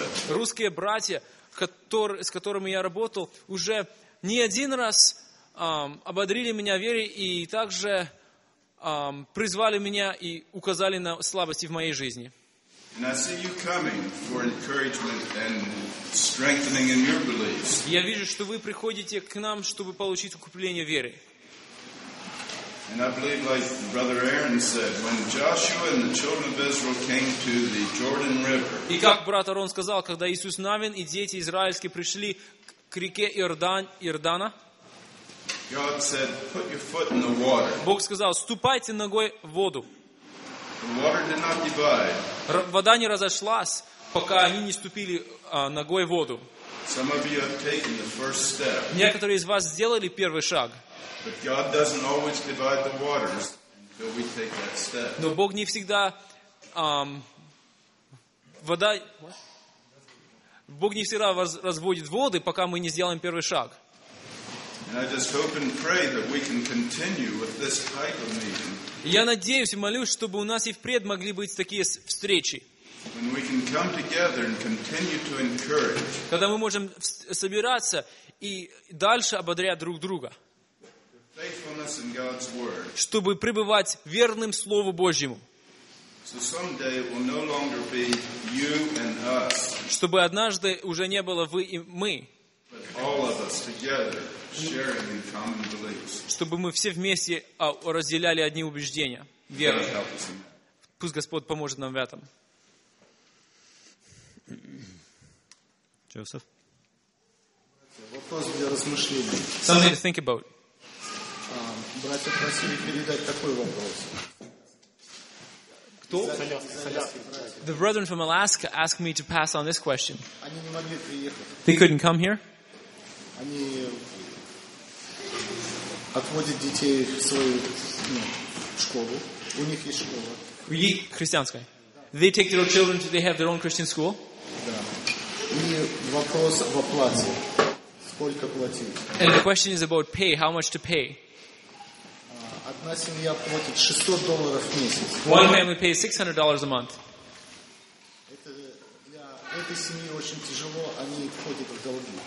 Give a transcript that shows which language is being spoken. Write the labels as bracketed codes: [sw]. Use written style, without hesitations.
[ru] Русские братья, с которыми я работал, уже не один раз ободрили меня в вере и также призвали меня и указали на слабости в моей жизни. [en] And I see you coming for encouragement and strengthening in your beliefs. [ru] Я вижу, что вы приходите к нам, чтобы получить укрепление веры. [en] And I believe, like Brother Aaron said, when Joshua and the children of Israel came to the Jordan River. [ru] И как брат Арон сказал, когда Иисус Навин и дети израильские пришли к реке Иордана. [en] God said, "Put your foot in the water." [ru] Бог сказал: "Ступайте ногой в воду." [en] The water did not divide. [ru] Вода не разошлась, пока они не ступили ногой в воду. [en] Some of you have taken the first step. [ru] Некоторые из вас сделали первый шаг. [en] But God doesn't always divide the waters until we take that step. [ru] Но Бог не всегда вода. Бог не всегда разводит воды, пока мы не сделаем первый шаг. [en] And I just hope and pray that we can continue with this type of meeting. [ru] Я надеюсь и молюсь, чтобы у нас и впредь могли быть такие встречи. [en] When we can come together and continue to encourage. [ru] Когда мы можем собираться и дальше ободрять друг друга. [en] Faithfulness in God's word. [ru] Чтобы пребывать верным Слову Божьему. [en] So someday it will no longer be you and us. [ru] Чтобы однажды уже не было вы и мы. [en] But all of us together sharing in common beliefs. [ru] Чтобы мы все вместе разделяли одни убеждения, веру. Пусть Господь поможет нам в этом. [en] Joseph. [ru] Вопрос для размышления. [en] Something to think about. [ru] Братья просили передать такой вопрос. Кто? [en] The brethren from Alaska asked me to pass on this question. [ru] Они не могли приехать. [en] They couldn't come here. [ru] Они отводят детей в свою школу. У них есть школа. Христианская. [en] They take their own children, they have their own Christian school. [ru] Да. И вопрос в оплате. Сколько платить? [en] And the question is about pay, how much to pay. [ru] Одна семья платит $600 в месяц. [en] One family pays $600 a month. [ru] Это для этой семьи очень тяжело, они входят в долги.